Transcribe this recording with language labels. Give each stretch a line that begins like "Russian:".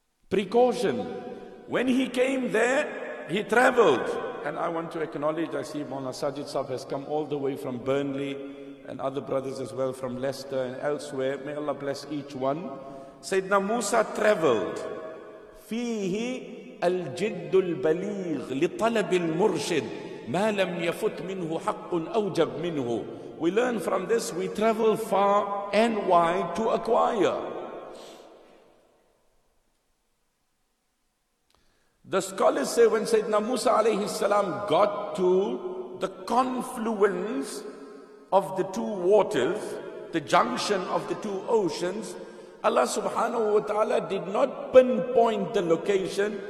English: Precaution. When he came there, he traveled. And I want to acknowledge, I see Mawlana Sajid Sahib has come all the way from Burnley and other brothers as well from Leicester and elsewhere. May Allah bless each one. Sayyidina Musa traveled.
Arabic: Fihi الجد البليغ لطلب المرشد ما لم يفت منه حق أوجب منه.
English: We learn from this, we travel far and wide to acquire. The scholars say when Sayyidina Musa alayhi salam got to the confluence of the two waters, the junction of the two oceans, Allah subhanahu wa ta'ala did not pinpoint the location.